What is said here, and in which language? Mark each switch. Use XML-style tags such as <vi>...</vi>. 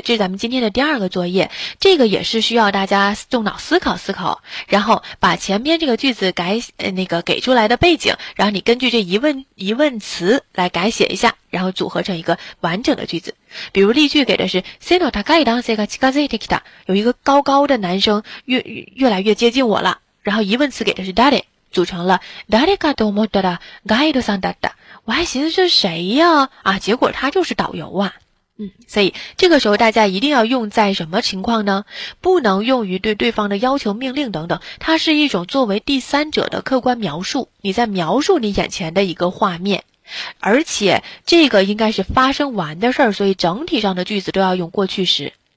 <zh>这是咱们今天的第二个作业，这个也是需要大家动脑思考思考，然后把前面这个句子给出来的背景，然后你根据这疑问词来改写一下，然后组合成一个完整的句子。比如例句给的是，</zh> <ja>背の高い男性が近づいてきた，</ja> <zh>有一个高高的男生越来越接近我了。然后疑问词给的是誰。组成了</zh> <ja>誰かと思ったらガイドさんだった。</ja> <zh>我还寻思是谁呀？啊，结果他就是导游啊。所以这个时候大家一定要用在什么情况呢？不能用于对对方的要求、命令等等，它是一种作为第三者的客观描述。你在描述你眼前的一个画面，而且这个应该是发生完的事儿，所以整体上的句子都要用过去时。</zh>